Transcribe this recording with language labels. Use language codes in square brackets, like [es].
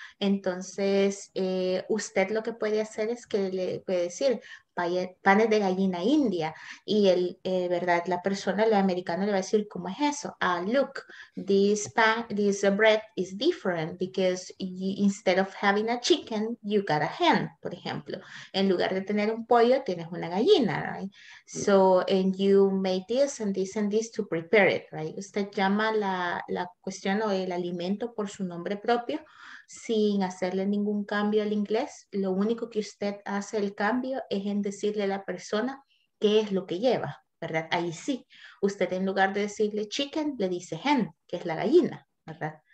[es] Entonces, usted lo que puede hacer es que le puede decir panes de gallina india y el, ¿verdad? La persona, el americano le va a decir, ¿cómo es eso? [en] Ah, look, this bread is different because instead of having a chicken, you got a hen, [es] por ejemplo. En lugar de tener un pollo, tienes una gallina, right? [en] So, and you made this and this and this to prepare it, right? [es] Usted llama la cuestión o el alimento por su nombre propio sin hacerle ningún cambio al inglés. Lo único que usted hace el cambio es en decirle a la persona qué es lo que lleva, ¿verdad? Ahí sí, usted en lugar de decirle chicken, le dice hen, que es la gallina, ¿verdad?